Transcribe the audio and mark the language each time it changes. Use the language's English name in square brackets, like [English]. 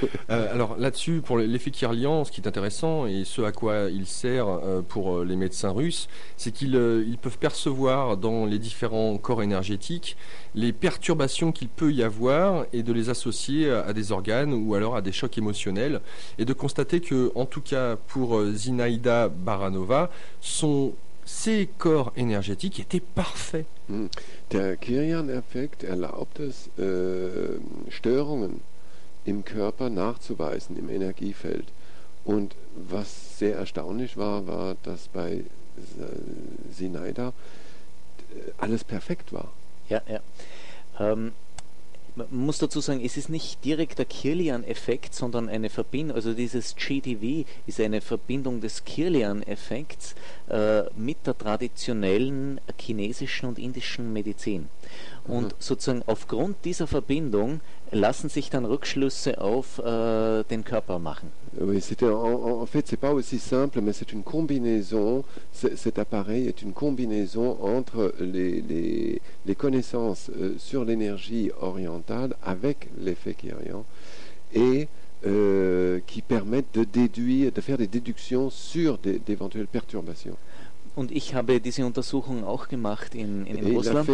[French] Alors là-dessus, pour l'effet Kirlian, ce qui est intéressant et ce à quoi il sert pour les médecins russes, c'est qu'ils peuvent percevoir dans les différents corps énergétiques les perturbations qu'il peut y avoir et de les associer à des organes ou alors à des chocs émotionnels et de constater que, en tout cas pour Zinaïda Baranova, ses corps énergétiques étaient parfaits. [German] Der Kirlian-Effekt erlaubt es, Störungen im Körper nachzuweisen, im Energiefeld. Und was sehr erstaunlich war, dass bei Zinaïda alles perfekt war. Ja. Man muss dazu sagen, es ist nicht direkt der Kirlian-Effekt, sondern eine Verbindung, also dieses GDV ist eine Verbindung des Kirlian-Effekts mit der traditionellen chinesischen und indischen Medizin. Und sozusagen aufgrund dieser Verbindung lassen sich dann Rückschlüsse auf den Körper machen. [French] Oui, c'était en fait, c'est pas aussi simple, mais c'est une combinaison. Cet appareil est une combinaison entre les connaissances sur l'énergie orientale avec l'effet Kirian et qui permettent de déduire, de faire des déductions sur d'éventuelles perturbations. [German] Und ich habe diese Untersuchung auch gemacht in Russland.